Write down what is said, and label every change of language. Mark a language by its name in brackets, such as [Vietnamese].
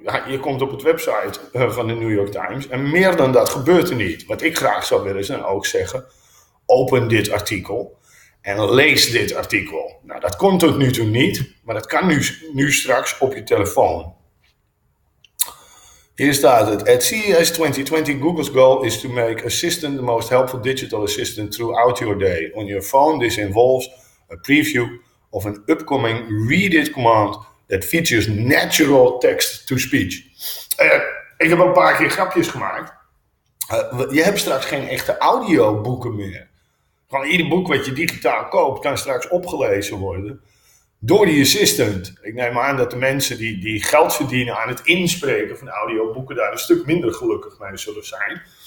[Dutch] Ja, je komt op het website van de New York Times en meer dan dat gebeurt er niet. Wat ik graag zou willen is dan ook zeggen, open dit artikel en lees dit artikel. Nou, dat komt tot nu toe niet, maar dat kan nu straks op je telefoon. Hier staat het. [English] At CES 2020, Google's goal is to make assistant the most helpful digital assistant throughout your day. On your phone, this involves a preview of an upcoming read it command that features natural text-to-speech. [Dutch] Ik heb een paar keer grapjes gemaakt. Je hebt straks geen echte audioboeken meer. Gewoon ieder boek wat je digitaal koopt kan straks opgelezen worden door die assistant. Ik neem aan dat de mensen die geld verdienen aan het inspreken van audioboeken daar een stuk minder gelukkig mee zullen zijn.